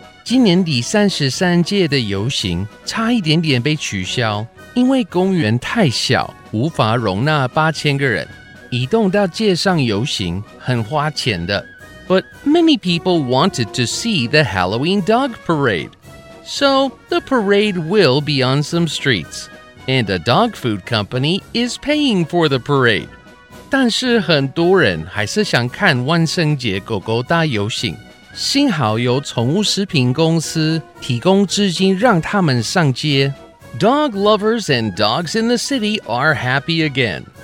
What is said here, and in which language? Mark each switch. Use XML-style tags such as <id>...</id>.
<zh>今年第33届的游行差一点点被取消，因为公园太小，无法容纳8,000个人。移动到街上游行很花钱的。</zh> <en>But many people wanted to see the Halloween dog parade. So, the parade will be on some streets. And a dog food company is paying for the parade.</en> <zh>但是很多人还是想看万圣节狗狗大游行。幸好有宠物食品公司提供资金让他们上街。</zh> <en>Dog lovers and dogs in the city are happy again.</en>